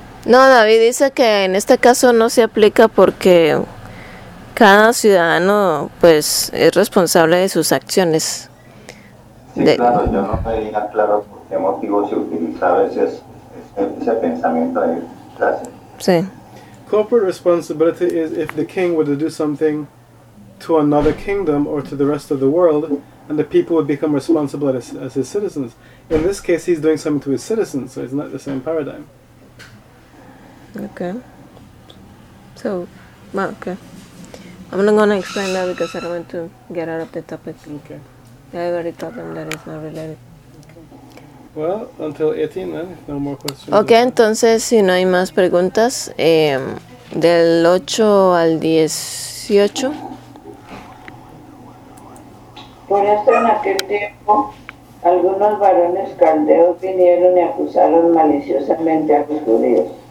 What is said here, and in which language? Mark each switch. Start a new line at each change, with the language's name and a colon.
Spanish: No, David dice que en este caso no se aplica porque cada ciudadano pues es responsable de sus acciones. Sí, de, claro, yo no me diría claro por qué motivo se utiliza a veces ese pensamiento de clase. Sí.
English: Corporate responsibility is if the king were to do something to another kingdom or to the rest of the world, and the people would become responsible as his citizens. In this case, he's doing something to his citizens, so it's not the same paradigm. Okay. So, well, okay. I'm not going to explain that because I don't want to get out of the topic. Okay. I already told them that it's not related. Okay. Well, until 18 then, if no more questions.
Spanish: Okay, entonces, si no hay más preguntas, del 8 al 18. Por esto en aquel tiempo, algunos varones caldeos vinieron y acusaron maliciosamente a los judíos.